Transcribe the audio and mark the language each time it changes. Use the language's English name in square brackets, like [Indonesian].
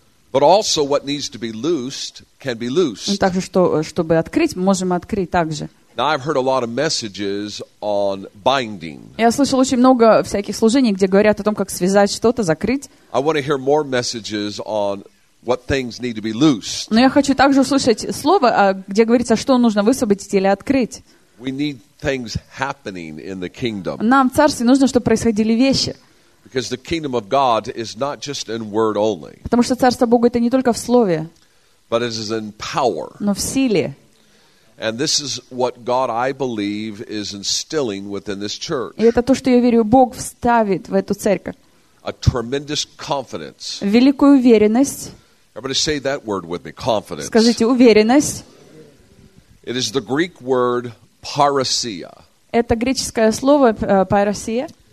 [English] But also what needs to be loosed can be loosed. [Russian] Также что чтобы открыть, мы можем открыть также. [English] Now I've heard a lot of messages on binding. [Russian] Я слышал очень много всяких служений, где говорят о том, как связать что-то, закрыть. [English] I want to hear more messages on what things need to be loosed. [Russian] Но я хочу также услышать слово, где говорится, что нужно высвободить или открыть. [English] We need things happening in the kingdom. [Russian] Нам в царстве нужно, чтобы происходили вещи. [English] Because the kingdom of God is not just in word only. [Russian] Потому что царство Бога это не только в слове. [English] But it is in power. [Russian] Но в силе. [English] And this is what God, I believe, is instilling within this church. [Russian] И это то, что я верю, Бог вставит в эту церковь. [English] A tremendous confidence. [Russian] Великую уверенность. [English] Everybody say that word with me, confidence. [Russian] Скажите уверенность. [English] It is the Greek word parousia. [Russian] Это греческое слово parousia.